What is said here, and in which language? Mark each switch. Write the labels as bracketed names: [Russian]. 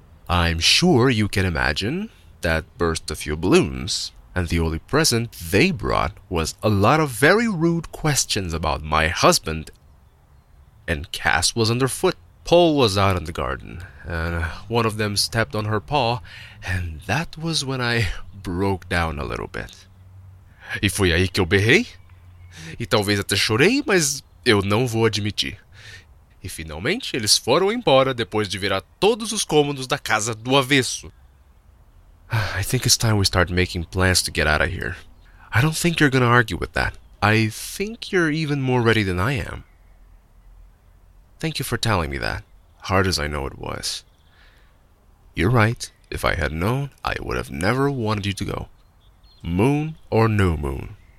[English] I'm sure you can imagine that burst a few balloons, and the only present they brought was a lot of very rude questions about my husband. And Cass was underfoot. Paul was out in the garden, and one of them stepped on her paw, and that was when I broke down a little bit. [Portuguese] E fui aí que eu berrei? E talvez até chorei, mas eu não vou admitir. E finalmente eles foram embora depois de virar todos os cômodos da casa do avesso. [English] I think it's time we start making plans to get out of here. I don't think you're gonna argue with that. I think you're even more ready than I am. Thank you for telling me that, hard as I know it was. You're right. If I had known, I would have never wanted you to go. Moon or no moon.